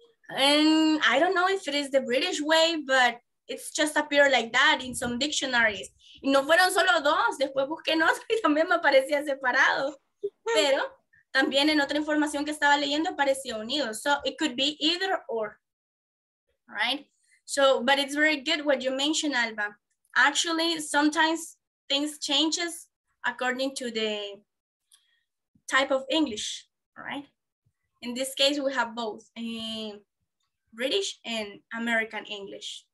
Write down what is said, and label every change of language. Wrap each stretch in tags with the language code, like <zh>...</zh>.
<en>And I don't know if it is the British way, but it's just appear like that in some dictionaries.</en> <es>Y no fueron solo dos, después busqué en otro y también me aparecía separado. Pero también en otra información que estaba leyendo aparecía unido.</es> <en>So it could be either or, right? So, but it's very good what you mentioned, Alba. Actually, sometimes things changes according to the type of English, right? In this case, we have both British and American English.</en>